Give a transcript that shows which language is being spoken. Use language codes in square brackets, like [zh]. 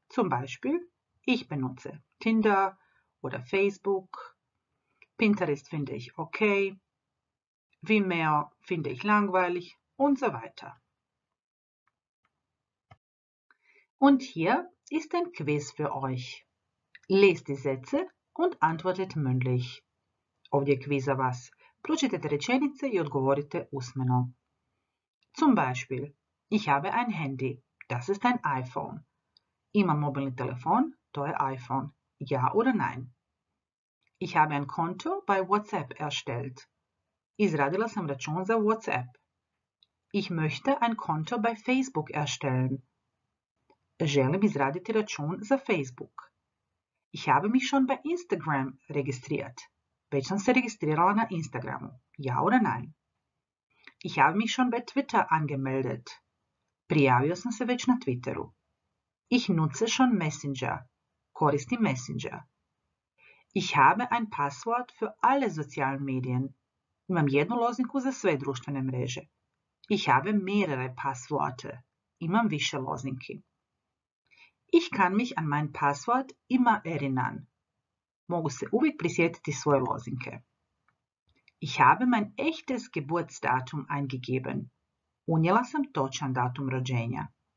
[de] Zum Beispiel, ich benutze Tinder oder Facebook, Pinterest finde ich okay, Vimeo finde ich langweilig und so weiter. Und hier ist ein Quiz für euch. Lest die Sätze und antwortet mündlich. [hr] Ovdje kviza vas. Pročitajte rečenice i odgovorite usmeno. [de] Zum Beispiel, ich habe ein Handy. Das ist ein iPhone. [hr] Imam mobilni telefon, to je iPhone. [de] Ja oder nein? Ich habe ein Konto bei WhatsApp erstellt. [hr] Izradila sam račun za WhatsApp. [de] Ich möchte ein Konto bei Facebook erstellen. [hr] Želim izraditi račun za Facebook. [de] Ich habe mich schon bei Instagram registriert. [hr] Već sam se registrirala na Instagramu. [de] Ja oder nein? Ich habe mich schon bei Twitter angemeldet. [hr] Prijavio sam se već na Twitteru. [de] Ich nutze schon Messenger. [hr] Koristim Messenger. [de] Ich habe ein Passwort für alle sozialen Medien. [hr] Imam jednu lozinku za sve društvene mreže. [de] Ich habe mehrere Passworte. [hr] Imam više lozinki. [de] Ich kann mich an mein Passwort immer erinnern. [hr] Mogu se uvijek prisjetiti svoje lozinke. [de] Ich habe mein echtes Geburtsdatum eingegeben. [hr] Unijela sam točan datum rođenja.